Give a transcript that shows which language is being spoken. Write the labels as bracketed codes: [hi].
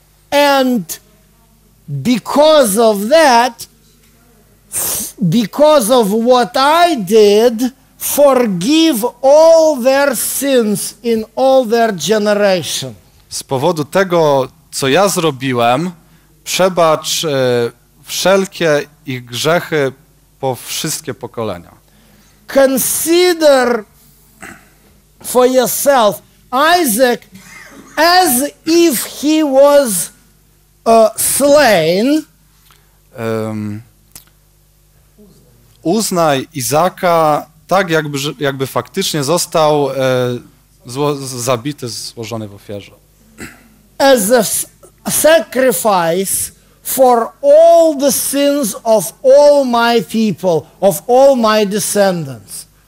[en] And because of that, because of what I did, forgive all their sins in all their generation. [pl] Z powodu tego, co ja zrobiłem, przebacz wszelkie ich grzechy po wszystkie pokolenia. [en] Consider for yourself, Isaac as if he was slain. [pl] Uznaj Izaka tak, jakby faktycznie został zabity, złożony w ofierze. [en] As a sacrifice for all the sins of all my people, of all my descendants.